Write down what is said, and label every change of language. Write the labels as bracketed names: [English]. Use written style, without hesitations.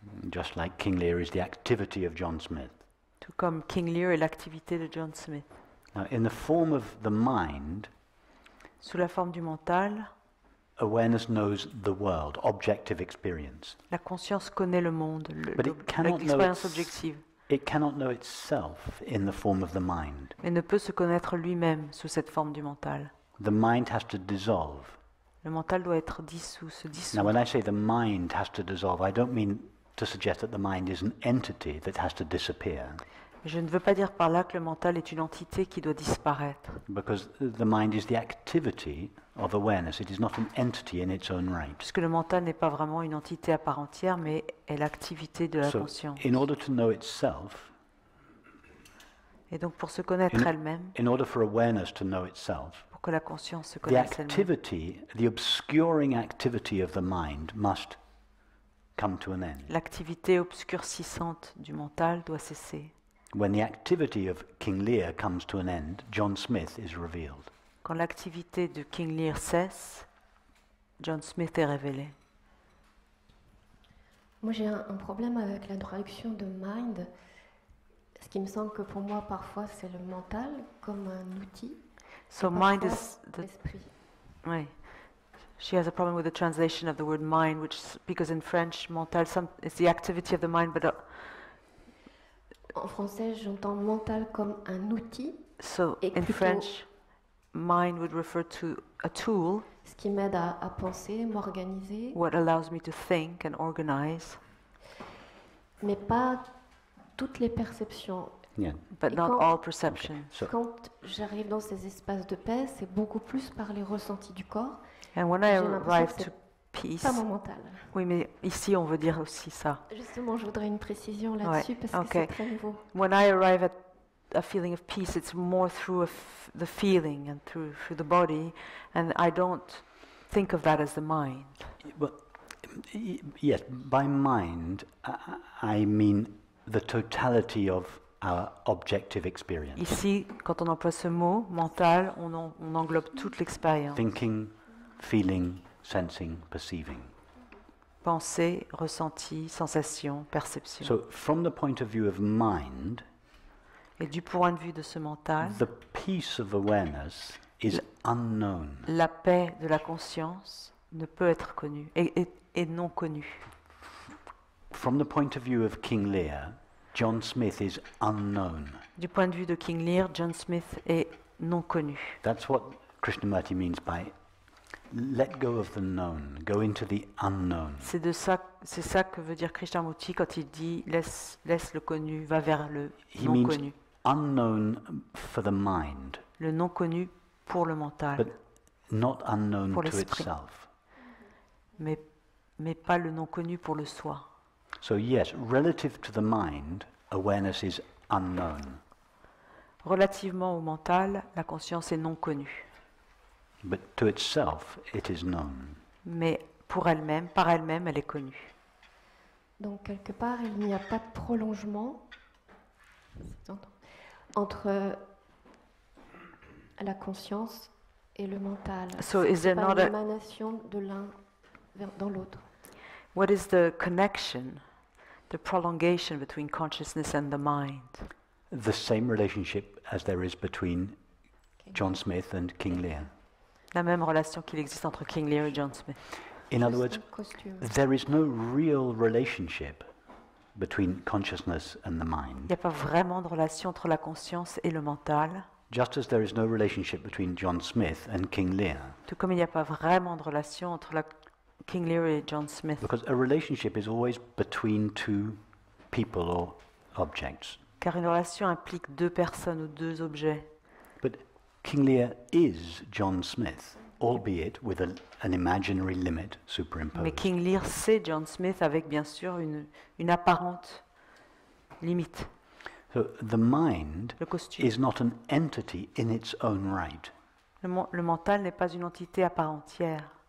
[English] Just like King Lear is the activity of John Smith. [French] Tout comme King Lear est l'activité de John Smith. [English] Now, in the form of the mind, [French] sous la forme du mental, [English] awareness knows the world, objective experience. [French] La conscience connaît le monde, l'expérience objective. [English] It cannot know itself in the form of the mind. [French] Mais ne peut se connaître lui-même sous cette forme du mental. [English] The mind has to dissolve. [French] Le mental doit être dissous, se dissoudre. [English] Now, when I say the mind has to dissolve, I don't mean to suggest that the mind is an entity that has to disappear. [French] Je ne veux pas dire par là que le mental est une entité qui doit disparaître. [English] Because the mind is the activity of awareness. It is not an entity in its own right. [French] Puisque le mental n'est pas vraiment une entité à part entière, mais est l'activité de la conscience. [English] In order to know itself, [French] et donc pour se connaître elle-même, [English] in order for awareness to know itself, [French] pour que la conscience se connaisse elle-même, [English] the obscuring activity of the mind must come to an end. [French] L'activité obscurcissante du mental doit cesser. [English] When the activity of King Lear comes to an end, John Smith is revealed. [French] Quand l'activité de King Lear cesse, John Smith est révélé. Moi, j'ai un problème avec la traduction de mind. Ce qui me semble que pour moi, parfois, c'est le mental comme un outil. [English] So mind is the [French] esprit. Oui. [English] She has a problem with the translation of the word mind, which because in French, mental is the activity of the mind, but [French] en français, j'entends mental comme un outil. [English] So, in French, mind would refer to a tool. [French] Ce qui m'aide à penser, m'organiser. [English] What allows me to think and organize. [French] Mais pas toutes les perceptions. [English] Yeah. But not all perceptions. [French] Okay. So, quand j'arrive dans ces espaces de paix, c'est beaucoup plus par les ressentis du corps. [English] And when I arrive to peace, [French] pas mon mental. Oui, mais ici on veut dire aussi ça. Justement, je voudrais une précision là-dessus ouais. parce [English] okay. [French] que c'est très nouveau. [English] When I arrive at a feeling of peace, it's more through the feeling and through the body, and I don't think of that as the mind. Well, yes, by mind I mean the totality of our objective experience. [French] Ici, quand on emploie ce mot mental, on englobe toute l'expérience. [English] Thinking, feeling, sensing, perceiving. [French] Pensée, ressenti, sensation, perception. [English] So, from the point of view of mind. [French] Et du point de vue de ce mental, [English] the peace of awareness is unknown. [French] La paix de la conscience ne peut être connue et non connue. [English] From the point of view of King Lear, John Smith is unknown. [French] Du point de vue de King Lear, John Smith est non connu. [English] That's what Krishnamurti means by let go of the known, go into the unknown. [French] C'est ça que veut dire Krishnamurti quand il dit laisse le connu, va vers le [English] He [French] non connu. [English] Unknown for the mind. [French] Le non connu pour le mental. [English] But not unknown [French] pour [English] to itself. [French] Mais pas le non connu pour le soi. [English] So yes, relative to the mind, awareness is unknown. [French] Relativement au mental, la conscience est non connue. [English] But to itself, it is known. [French] Mais pour elle-même, par elle-même, elle est connue. Donc quelque part, il n'y a pas de prolongement entre la conscience et le mental. [English] So is there not [French] une émanation de l'un dans l'autre? [English] What is the connection, the prolongation between consciousness and the mind? The same relationship as there is between John Smith and King Lear. [French] La même relation qu'il existe entre King Lear et John Smith. [English] In other words, there is no real relationship between consciousness and the mind. [French] Il n'y a pas vraiment de relation entre la conscience et le mental. [English] Just as there is no relationship between John Smith and King Lear. [French] Tout comme il n'y a pas vraiment de relation entre King Lear et John Smith. [English] Because a relationship is always between two people or objects. [French] Car une relation implique deux personnes ou deux objets. [English] But King Lear is John Smith, albeit with an imaginary limit superimposed. [French] Mais King Lear c'est John Smith avec bien sûr une apparente limite. [English] So the mind is not an entity in its own right. [French] Le mental n'est pas une entité à part entière.